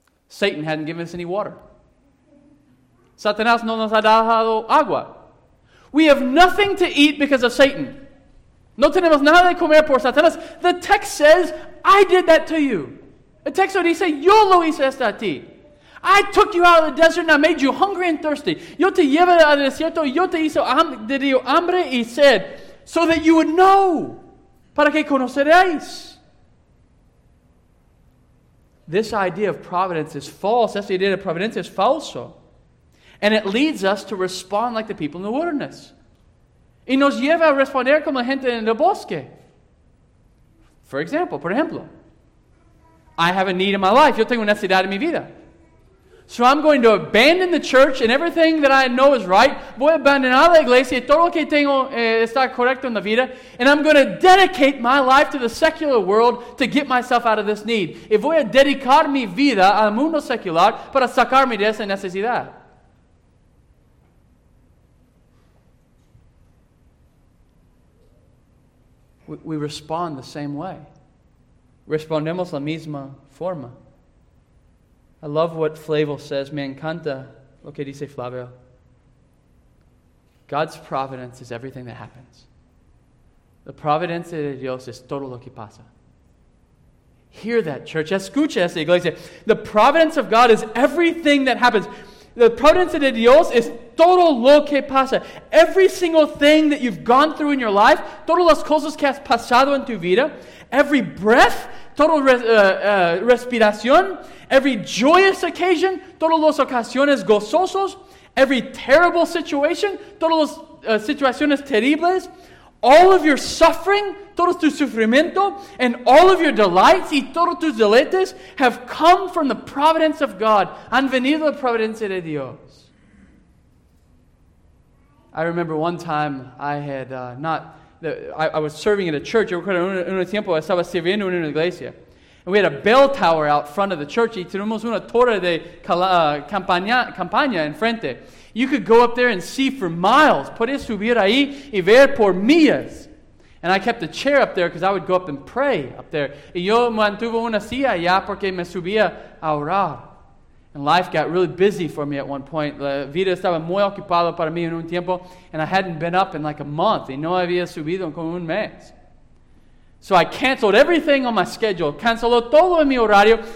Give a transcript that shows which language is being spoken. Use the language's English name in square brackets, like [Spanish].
[English] Satan hadn't given us any water. [Spanish] Satanás no nos ha dado agua. [English] We have nothing to eat because of Satan. [Spanish] No tenemos nada de comer por Satanás. [English] The text says, I did that to you. [Spanish] El texto dice, yo lo hice esto a ti. [English] I took you out of the desert and I made you hungry and thirsty. [Spanish] Yo te llevé al desierto y yo te hizo hambre y sed. [English] So that you would know. [Spanish] Para que conoceréis. [English] This idea of providence is false. [Spanish] Esta idea de providencia es falso. [English] And it leads us to respond like the people in the wilderness. [Spanish] Y nos lleva a responder como la gente en el bosque. Por ejemplo, [English] I have a need in my life. [Spanish] Yo tengo una necesidad en mi vida. [English] So I'm going to abandon the church and everything that I know is right. [Spanish] Voy a abandonar la iglesia y todo lo que tengo está correcto en la vida. [English] And I'm going to dedicate my life to the secular world to get myself out of this need. [Spanish] Y voy a dedicar mi vida al mundo secular para sacarme de esa necesidad. [English] We respond the same way. [Spanish] Respondemos la misma forma. [English] I love what Flavio says. [Spanish] Me encanta lo que dice Flavio. [English] God's providence is everything that happens. [Spanish] La providencia de Dios es todo lo que pasa. [English] Hear that, church. [Spanish] Escucha esa iglesia. [English] The providence of God is everything that happens. The providence of Dios is [Spanish] todo lo que pasa. [English] Every single thing that you've gone through in your life, [Spanish] todas las cosas que has pasado en tu vida, [English] every breath, [Spanish] toda respiración, [English] every joyous occasion, [Spanish] todas las ocasiones gozosas, [English] every terrible situation, [Spanish] todas las situaciones terribles, [English] all of your suffering, [Spanish] todo tu sufrimiento, [English] and all of your delights [Spanish] y todos tus deleites [English] have come from the providence of God. [Spanish] Han venido la providencia de Dios. [English] I remember one time I had I was serving at a church. [Spanish] Un tiempo estaba sirviendo en una iglesia. [English] And we had a bell tower out front of the church. [Spanish] Y tenemos una torre de campaña en frente. [English] You could go up there and see for miles. [Spanish] Podías subir ahí y ver por millas. [English] And I kept a chair up there because I would go up and pray up there. [Spanish] Y yo mantuve una silla allá porque me subía a orar. [English] And life got really busy for me at one point. [Spanish] La vida estaba muy ocupada para mí en un tiempo. [English] And I hadn't been up in like a month. [Spanish] Y no había subido en como un mes. [English] So I canceled everything on my schedule. [Spanish] Canceló todo en mi horario.